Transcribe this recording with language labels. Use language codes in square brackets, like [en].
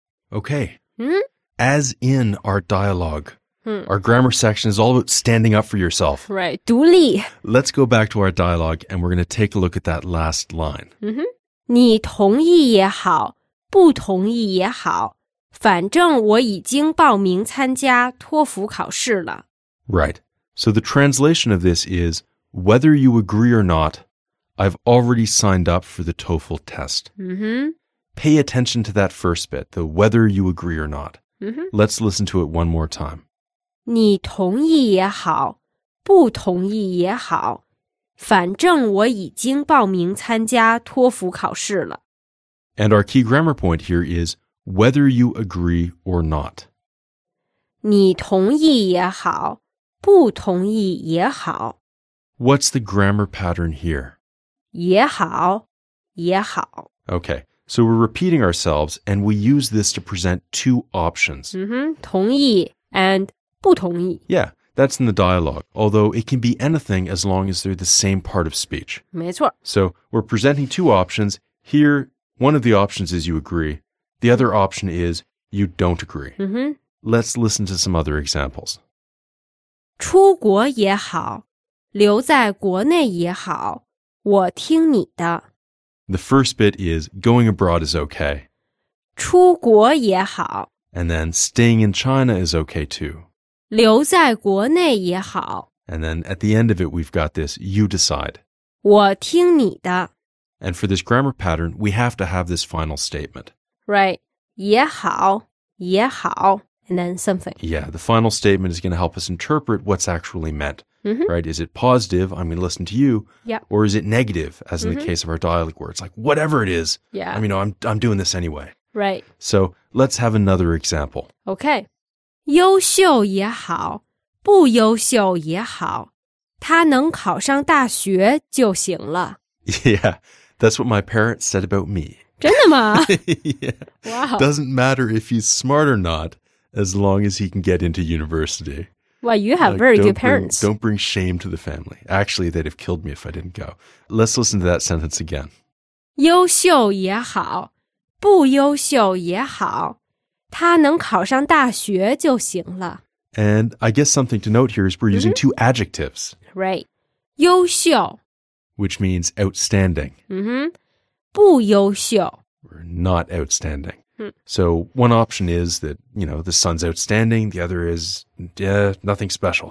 [en] Okay.、 Mm-hmm. As in our dialogue,、 mm-hmm. our grammar section is all about standing up for yourself. Right. 独立 Let's go back to our dialogue and we're going to take a look at that last line.、 [zh] Mm-hmm. 你同意也好,不同意也好, 反正我已经报名参加托福考试了。 [en] Right. So the translation of this is, whether you agree or not, I've already signed up for the TOEFL test. Mm-hmm. Pay attention to that first bit, the whether you agree or not. Mm-hmm. Let's listen to it one more time. [zh] 你同意也好,不同意也好,反正我已经报名参加托福考试了。 [en] And our key grammar point here is, whether you agree or not. [zh] 你同意也好,不同意也好。 [en] What's the grammar pattern here? [zh] 也好,也好。 [en] Okay. So we're repeating ourselves, and we use this to present two options. Mm-hmm, 同意 and 不同意。 Yeah, that's in the dialogue, although it can be anything as long as they're the same part of speech. [zh] 没错。 [en] So we're presenting two options. Here, one of the options is you agree. The other option is you don't agree. Mm-hmm. Let's listen to some other examples. [zh] 出国也好,留在国内也好,我听你的。 [en] The first bit is, going abroad is okay. [zh] 出国也好。 [en] And then, staying in China is okay too. [zh] 留在国内也好。 [en] And then, at the end of it, we've got this, you decide. [zh] 我听你的。 [en] And for this grammar pattern, we have to have this final statement. Right. 也好,也好。And then something. Yeah, the final statement is going to help us interpret what's actually meant. Mm-hmm. Right? Is it positive, I'm going to listen to you, yep. or is it negative, as mm-hmm. in the case of our dialogue words, like whatever it is, yeah. I mean, I'm doing this anyway. Right. So let's have another example. Okay. [zh] 优秀也好,不优秀也好,他能考上大学就行了。 [en] Yeah, that's what my parents said about me. [zh] 真的吗? [en] Yeah. Wow. Doesn't matter if he's smart or not, as long as he can get into university. Well, you have very good parents. Don't bring shame to the family. Actually, they'd have killed me if I didn't go. Let's listen to that sentence again. [zh] 优秀也好,不优秀也好,他能考上大学就行了。 [en] And I guess something to note here is we're using mm-hmm. two adjectives. Right. 优秀。 Which means outstanding. Mm-hmm. 不优秀。 We're not outstanding. So one option is that, you know, the son's outstanding. The other is, yeah, nothing special.